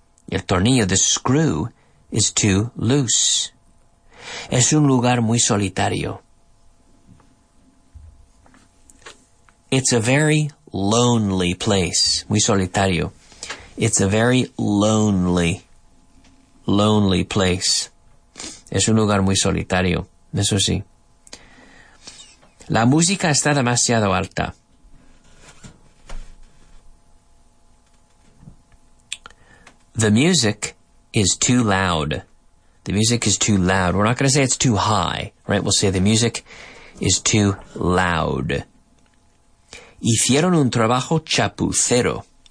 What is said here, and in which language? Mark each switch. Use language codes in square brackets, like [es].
[en] El tornillo, the screw, is too loose. [es] Es un lugar muy solitario. [en] It's a very lonely place. [es] Muy solitario. [en] It's a very lonely, lonely place. [es] Es un lugar muy solitario. Eso sí. La música está demasiado alta. [en] The music is too loud. The music is too loud. We're not going to say it's too high, right? We'll say the music is too loud. [es] Hicieron un trabajo chapucero.